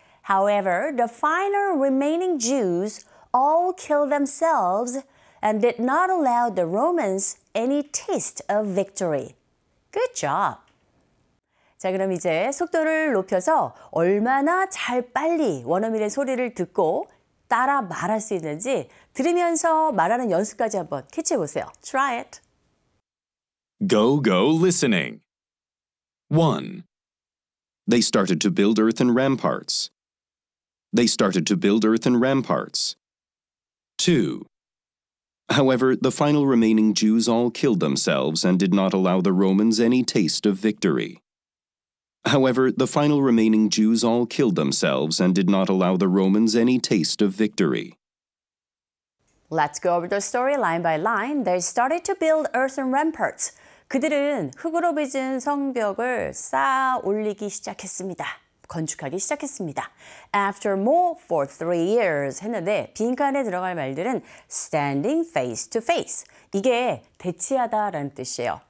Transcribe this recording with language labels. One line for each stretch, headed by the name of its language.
English: However, the final remaining Jews all killed themselves and did not allow the Romans any taste of victory. Good job.
Korean: 자, 그럼 이제 속도를 높여서 얼마나 잘 빨리 원어민의 소리를 듣고 따라 말할 수 있는지 들으면서 말하는 연습까지 한번 캐치해 보세요.
English: Try it. Go, go, listening. 1. They started to build earthen ramparts. They started to build earthen ramparts. 2. However, the final remaining Jews all killed themselves and did not allow the Romans any taste of victory. However, the final remaining Jews all killed themselves and did not allow the Romans any taste of victory. Let's go over the story line by line. They started to build earthen ramparts.
Korean: 그들은 흙으로 빚은 성벽을 쌓아 올리기 시작했습니다. 건축하기 시작했습니다.
English: After more for three years
Korean: 했는데 빈칸에 들어갈 말들은
English: standing face to face.
Korean: 이게 대치하다 라는 뜻이에요.